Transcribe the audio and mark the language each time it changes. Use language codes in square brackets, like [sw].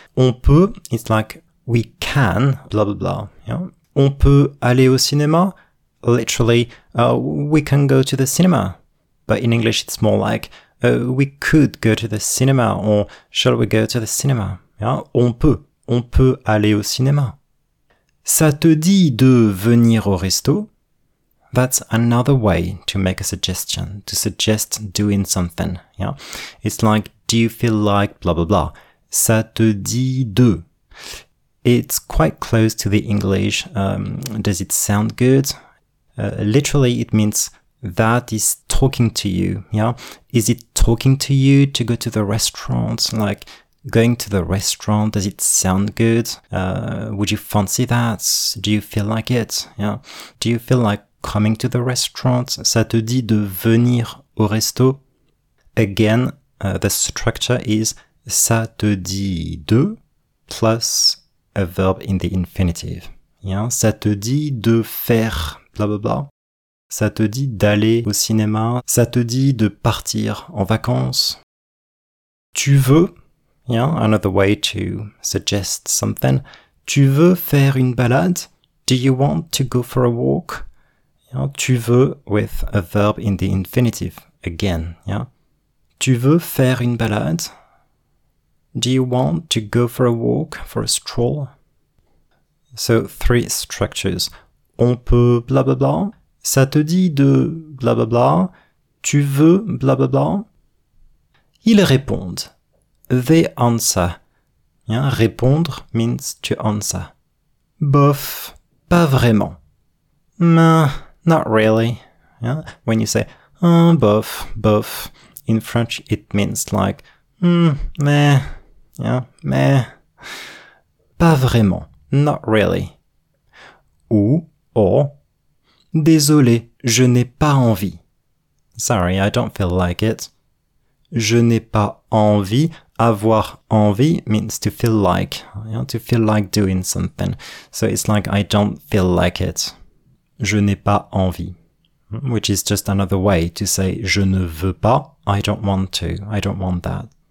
[fr] On peut, [en] it's like we can, blah, blah, blah. Yeah? [fr] On peut aller au cinéma? [en] Literally, we can go to the cinema. But in English, it's more like we could go to the cinema or shall we go to the cinema? [fr] Yeah? On peut aller au cinéma. Ça te dit de venir au resto? [en] That's another way to make a suggestion, to suggest doing something, yeah? It's like, do you feel like blah, blah, blah? [fr] ça te dit de. [en] It's quite close to the English. Does it sound good? Literally, it means that is talking to you. Yeah. Is it talking to you to go to the restaurant? Like going to the restaurant, does it sound good? Would you fancy that? Do you feel like it? Yeah. Do you feel like coming to the restaurant? [fr] Ça te dit de venir au resto? [en] Again, the structure is [fr] ça te dit de [en] plus a verb in the infinitive. Yeah. [fr] Ça te dit de faire blah blah blah. Ça te dit d'aller au cinéma. Ça te dit de partir en vacances. Tu veux? [en] Yeah, another way to suggest something. [fr] Tu veux faire une balade? [en] Do you want to go for a walk? Yeah, [fr] tu veux [en] with a verb in the infinitive again. Yeah. [fr] Tu veux faire une balade? [en] Do you want to go for a walk, for a stroll? So three structures. [fr] On peut [en] blah blah blah. [fr] Ça te dit de blah blah blah. Tu veux blah blah blah. Ils répondent. [en] They answer. Yeah, répondre means to answer. [fr] Bof, pas vraiment. [en] Nah, not really. Yeah, when you say, oh, [fr] bof, bof, [en] in French it means like, meh, yeah, meh. [fr] Pas vraiment, [en] not really. [fr] Ou, or, désolé, je n'ai pas envie. [en] Sorry, I don't feel like it. [fr] Je n'ai pas envie. Avoir envie [en] means to feel like, you know, to feel like doing something. So it's like, I don't feel like it. [fr] Je n'ai pas envie. [en] Which is just another way to say, [fr] je ne veux pas, [en] I don't want to, I don't want that.